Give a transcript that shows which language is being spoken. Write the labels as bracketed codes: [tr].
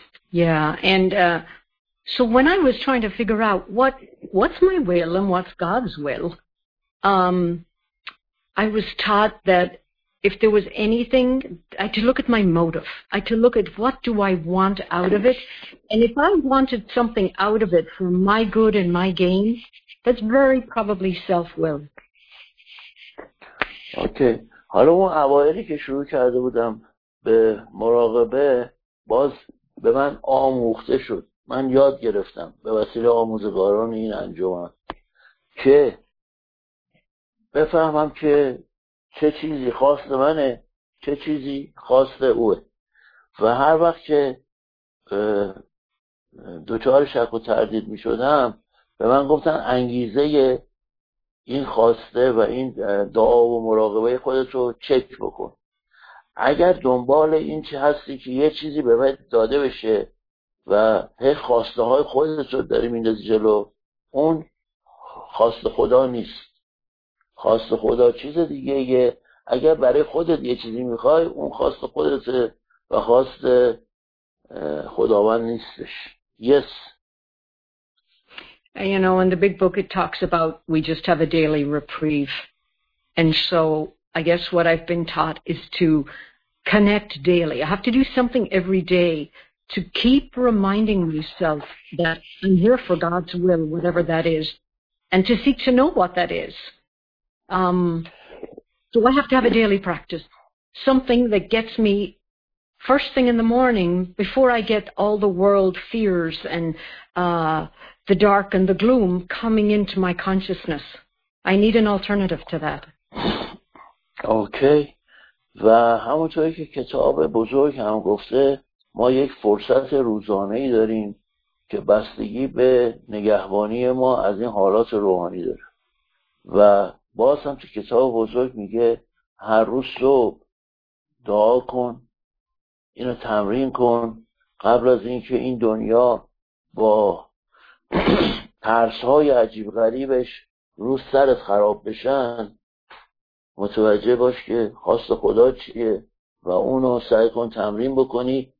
[en] Yeah, and so when I was trying to figure out what's my will and what's God's will, I was taught that if there was anything, I had to look at my motive. I had to look at what do I want out of it, and if I wanted something out of it for my good and my gain, that's very probably self-will. Okay. [fa] حالا اون اوائلی که شروع کرده بودم به مراقبه، باز به من آموخته شد، من یاد گرفتم به وسیله آموزگاران این انجمن که بفهمم که چه چیزی خواست منه، چه چیزی خواست اوه، و هر وقت که دچار شک و تردید می شدم به من گفتن انگیزه این خواسته و این دعا و مراقبه خودت رو چک بکن، اگر دنبال این چه هستی که یه چیزی به من داده بشه و هی خواسته های خودت رو داری میندازی جلو، اون خواست خدا نیست. خواست خدا چیز دیگه یه، اگر برای خودت یه چیزی میخوای اون خواست خودت و خواست خداوند نیستش. [en] Yes. You know, in the big book it talks about we just have a daily reprieve. And so I guess what I've been taught is to connect daily. I have to do something every day to keep reminding myself that I'm here for God's will, whatever that is, and to seek to know what that is. So I have to have a daily practice, something that gets me first thing in the morning before I get all the world fears and the dark and the gloom coming into my consciousness. I need an alternative to that. Okay. [fa] و همونطوری که کتاب بزرگ هم گفته، ما یک فرصت روزانه ای داریم که بستگی به نگهبانی ما از این حالات روحانی داره. و باز هم تو کتاب بزرگ میگه هر روز صبح دعا کن، اینو تمرین کن قبل از اینکه این دنیا با ترس‌های عجیب غریبش رو سرت خراب بشن، متوجه باش که خواست خدا چیه و اونو سعی کن تمرین بکنی،